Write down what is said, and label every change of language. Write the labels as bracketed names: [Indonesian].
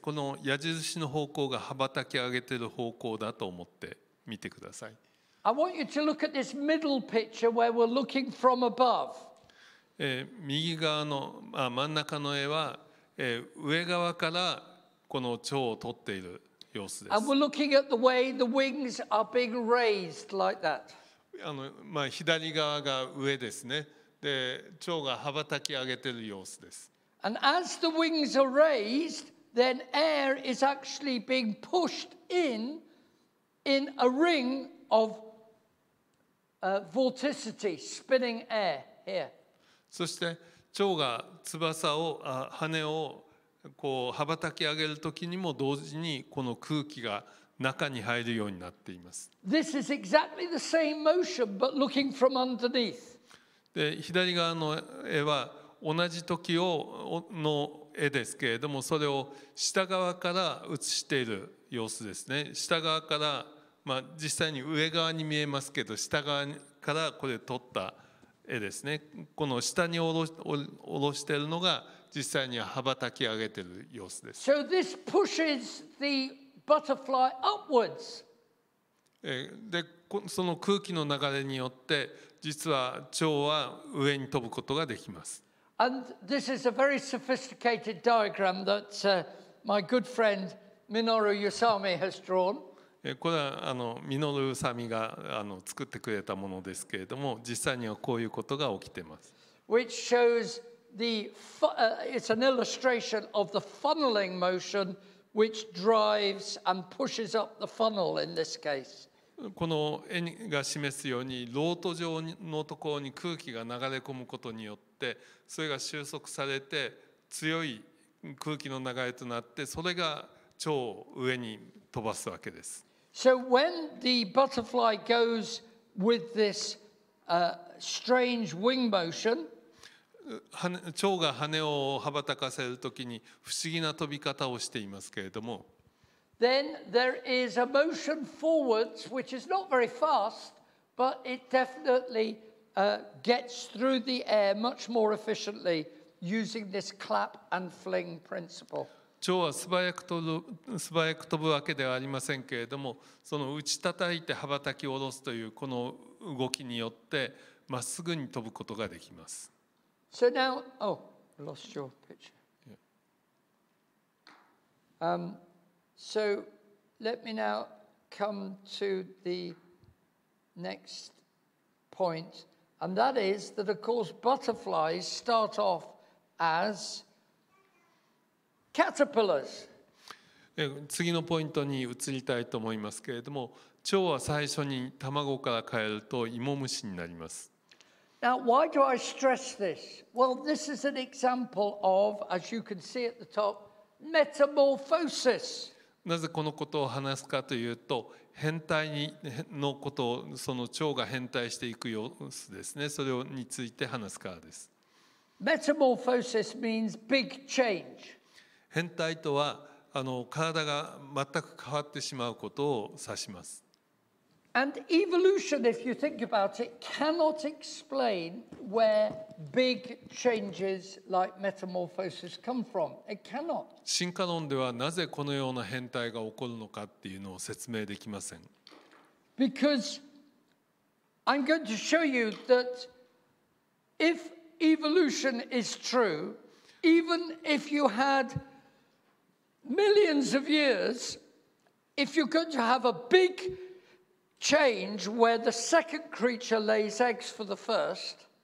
[Japanese] この矢印の方向が羽ばたき上げている方向だと思って見てください。 [English] I want you to look at this middle picture where we're looking from above. [Japanese] 右側の、真ん中の絵は、上側からこの蝶を撮っている様子です。 [English] And we're looking at the way the wings are being raised like that. [Japanese] 左側が上ですね。で、蝶が羽ばたき上げている様子です。 [English] And as the wings are raised, then air is actually being pushed in a ring of vorticity, spinning air here. [Japanese] そして蝶が翼を羽をこう羽ばたき上げるときにも同時にこの空気が中に入るようになっています。 [English] This is exactly the same motion, but looking from underneath. [Japanese] で、左側の絵は同じ時をの絵ですけれども、それを下側から映している様子ですね。下側から、実際に上側に見えますけど、下側からこれ撮った。絵ですね。この下に下ろしているのが実際に羽ばたき上げている様子です。 [English] So this pushes the butterfly upwards. [Japanese] で、その空気の流れによって実は蝶は上に飛ぶことができます。 [English] And this is a very sophisticated diagram that my good friend Minoru Yusami has drawn. [Japanese] これはミノル・ウサミが作ってくれたものですけれども、実際にはこういうことが起きています。 [English] Which shows it's an illustration of the funneling motion which drives and pushes up the funnel in this case. [Japanese] この絵が示すように、ロート状のところに空気が流れ込むことによって、それが収束されて、強い空気の流れとなって、それが蝶を上に飛ばすわけです。 [English] So when the butterfly goes with this strange wing motion, [Japanese] 蝶が羽を羽ばたかせるときに不思議な飛び方をしていますけれども、 [English] then there is a motion forwards which is not very fast, but it definitely gets through the air much more efficiently using this clap and fling principle. [Japanese] 蝶は素早く飛ぶわけではありませんけれども、その打ち叩いて羽ばたき下ろすというこの動きによってまっすぐに飛ぶことができます。 [English] So now, oh, lost your picture. So let me now come to the next point, and that is that of course butterflies start off as caterpillars. [Japanese] 次のポイントに移りたいと思いますけれども、蝶は最初に卵から変えると芋虫になります。 [English] Now, why do I stress this? Well, this is an example of, as you can see at the top, metamorphosis. [Japanese] なぜこのことを話すかというと、変態のことを、その蝶が変態していく様子ですね。それについて話すからです。 [English] Metamorphosis means big change. [Japanese] 変態とは、体が全く変わってしまうことを指します。 [English] And evolution, if you think about it, cannot explain where big changes like metamorphosis come from. It cannot. [Japanese] 進化論ではなぜこのような変態が起こるのかっていうのを説明できません。 [English] Because I'm going to show you that if evolution is true, even if you had millions of years, if you're going to have a big change where the second creature lays eggs for the first.